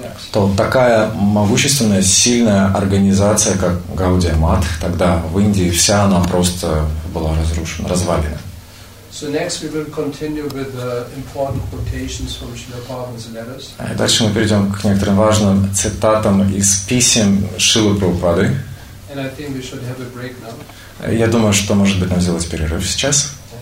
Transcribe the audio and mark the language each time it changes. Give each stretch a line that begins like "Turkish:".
Russian: То такая могущественная, сильная организация, как Гаудия Матх, тогда в Индии вся она просто была разрушена, развалена.
English: So next we will continue with the important quotations from Srila Prabhupada's letters.
Russian: Дальше мы перейдем к некоторым важным цитатам из писем Шрилы Прабхупады.
English: And I think we should have a break now.
Russian: Я думаю, что может быть нам сделать перерыв сейчас.